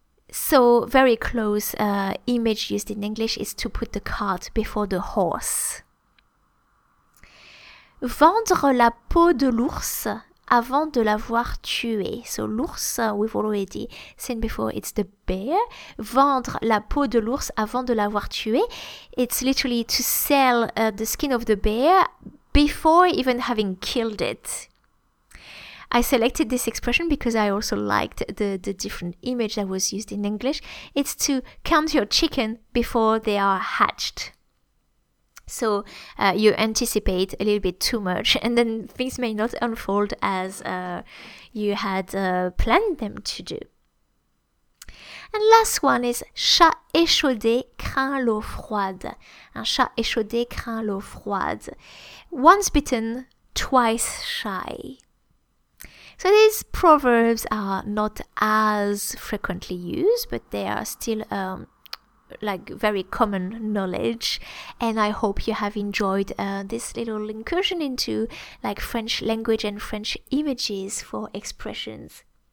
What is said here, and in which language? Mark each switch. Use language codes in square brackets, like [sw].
[en] So very close image used in English is to put the cart before the horse. [fr] Vendre la peau de l'ours avant de l'avoir tué. [en] So l'ours, we've already seen before, it's the bear. [fr] Vendre la peau de l'ours avant de l'avoir tué. [en] It's literally to sell the skin of the bear before even having killed it. I selected this expression because I also liked the different image that was used in English. It's to count your chicken before they are hatched. So you anticipate a little bit too much and then things may not unfold as you had planned them to do. And last one is [fr] chat échaudé craint l'eau froide. Un chat échaudé craint l'eau froide. [en] Once bitten, twice shy. So these proverbs are not as frequently used, but they are still like very common knowledge, and I hope you have enjoyed this little incursion into like French language and French images for expressions.